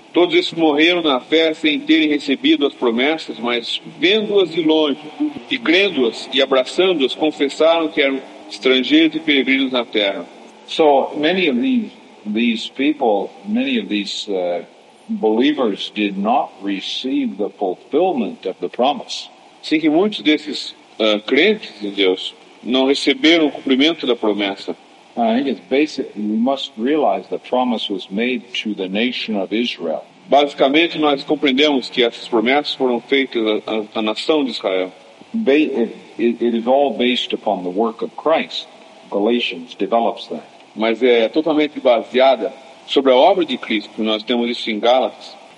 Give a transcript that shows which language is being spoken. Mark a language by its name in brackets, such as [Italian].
[Portuguese] Todos esses morreram na fé sem terem recebido as promessas, mas vendo-as de longe e crendo-as e abraçando-as, confessaram que eram estrangeiros e peregrinos na terra. [English] So many of these people, many of these believers did not receive the fulfillment of the promise. [Portuguese] Sim, que muitos desses crentes em Deus não receberam o cumprimento da promessa. [English] We must realize the promise was made to the nation of Israel. [Portuguese] Basicamente, nós compreendemos que essas promessas foram feitas à nação de Israel. [English] It is all based upon the work of Christ. Galatians develops that. [Portuguese] Mas é totalmente baseada sobre a obra de Cristo, que nós temos isso em Gálatas.